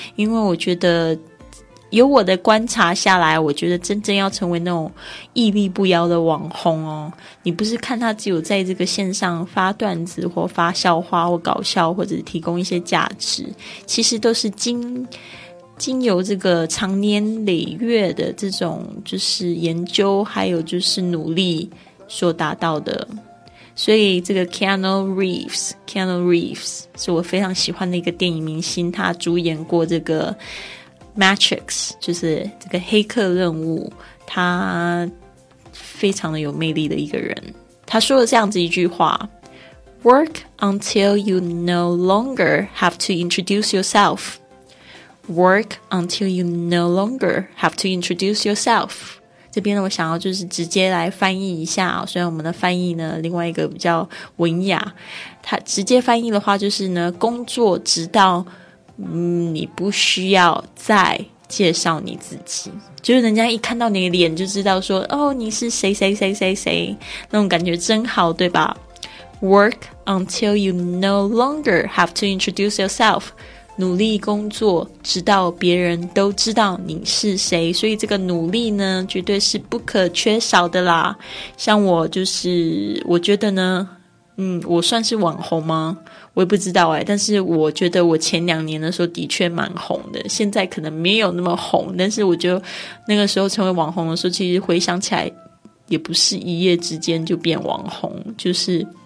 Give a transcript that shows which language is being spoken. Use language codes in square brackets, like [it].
[zh] 因为我觉得，由我的观察下来，我觉得真正要成为那种屹立不摇的网红哦，你不是看他只有在这个线上发段子或发笑话或搞笑或者提供一些价值，其实都是经由这个长年累月的这种就是研究还有就是努力所达到的。所以这个 Keanu Reeves 是我非常喜欢的一个电影明星，他主演过这个Matrix， 就是这个黑客任务，他非常的有魅力的一个人。他说了这样子一句话 [en] ：Work until you no longer have to introduce yourself. Work until you no longer have to introduce yourself. [zh] 这边呢，我想要就是直接来翻译一下、哦，虽然我们的翻译呢，另外一个比较文雅，他直接翻译的话就是呢，工作直到。你不需要再介绍你自己，就是人家一看到你的脸就知道说哦，你是谁谁谁谁谁，那种感觉真好，对吧？ [en] Work until you no longer have to introduce yourself， [zh] 努力工作直到别人都知道你是谁。所以这个努力呢，绝对是不可缺少的啦。像我就是我觉得呢，我算是网红吗？我也不知道哎，但是我觉得我前两年的时候的确蛮红的，现在可能没有那么红，但是我就那个时候成为网红的时候，其实回想起来也不是一夜之间就变网红，就是